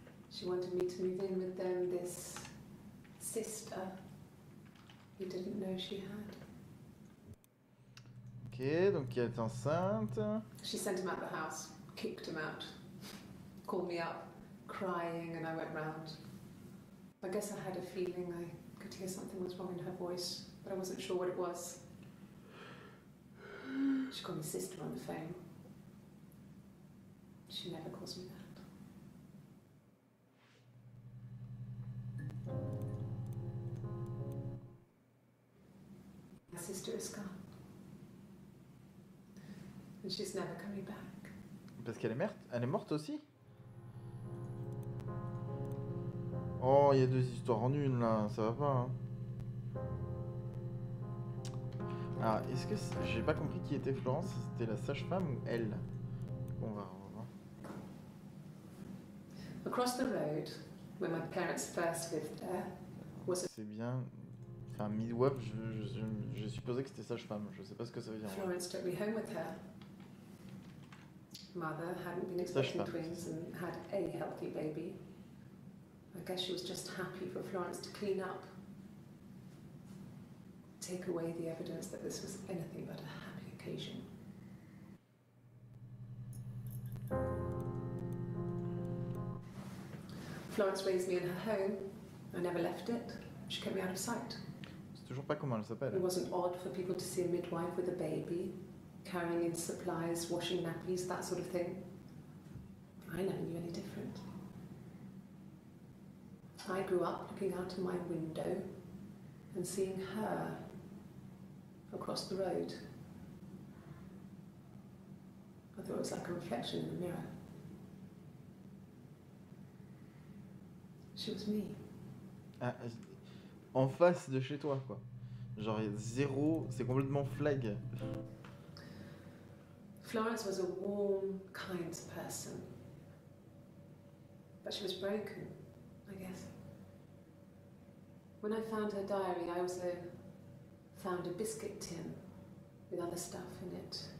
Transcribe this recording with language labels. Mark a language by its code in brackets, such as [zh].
[en] She wanted me to move in with them, this sister he didn't know she had. [fr] Ok, donc elle est enceinte. [en] She sent him out the house, kicked him out. called me up crying and I went round. I guess I had a feeling I could hear something was wrong in her voice, but I wasn't sure what it was. She called me sister on the phone. She never calls me that. My sister is gone. And she's never coming back. [fr] Parce qu'elle est morte. Elle est morte aussi. Oh, il y a deux histoires en une là, ça va pas. Hein. Alors, est-ce que c'est... j'ai pas compris qui était Florence, si c'était la sage-femme ou elle. On va revoir. [en] Across the road, where my parents first lived there, was a... [fr] C'est bien. Enfin, midwife, je supposais que c'était sage-femme, je sais pas ce que ça veut dire. [en] Florence took me home with her. Mother hadn't been expecting sage-femme. Twins and had a healthy baby. I guess she was just happy for Florence to clean up. Take away the evidence that this was anything but a happy occasion. Florence raised me in her home. I never left it. She kept me out of sight. [fr] C'est toujours pas comment elle s'appelle. [en] It wasn't odd for people to see a midwife with a baby, carrying in supplies, washing nappies, that sort of thing. I never knew any different. I grew up looking out of my window and seeing her across the road. I thought it was like a reflection in the mirror. She was me. [fr] Ah, en face de chez toi, quoi. Genre zéro, c'est complètement flag. [en] Florence was a warm, kind person. But she was broken, I guess. When I found her diary, I also found a biscuit tin with other stuff in it.